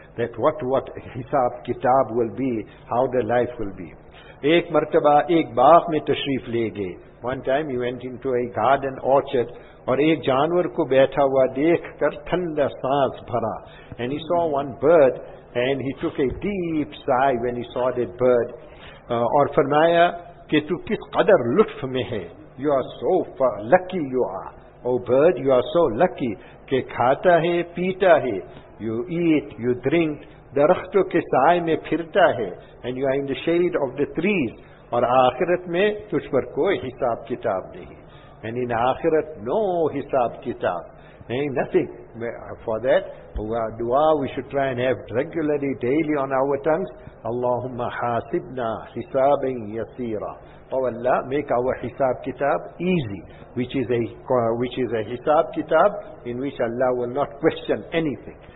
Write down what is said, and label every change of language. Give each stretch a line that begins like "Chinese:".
English: That what hisab kitab will be, how the life will be.
Urdu: Ek martaba ek baagh mein tashreef le gaye.
English: One time he went into a garden orchard,
Urdu: aur ek janwar ko baitha hua dekh kar thanda saans bhara.
English: And he saw one bird, and he took a deep sigh when he saw that bird.
Urdu: اور فرمایا کہ تو کس قدر لطف میں ہے.
English: You are so lucky, you are. Oh bird, you are so lucky.
Urdu: کہ کھاتا ہے پیتا ہے.
English: You eat, you drink.
Urdu: درختوں کے سائے میں پھرتا ہے.
English: And you are in the shade of the trees.
Urdu: اور آخرت میں تجھ پر کوئی حساب کتاب نہیں.
English: And in آخرت no حساب کتاب. Nothing. For that, dua we should try and have regularly, daily on our tongues.
Arabic: Allahumma hasibna hisabin yaseera.
English: Oh Allah, make our hisab kitab easy, which is a hisab kitab in which Allah will not question anything.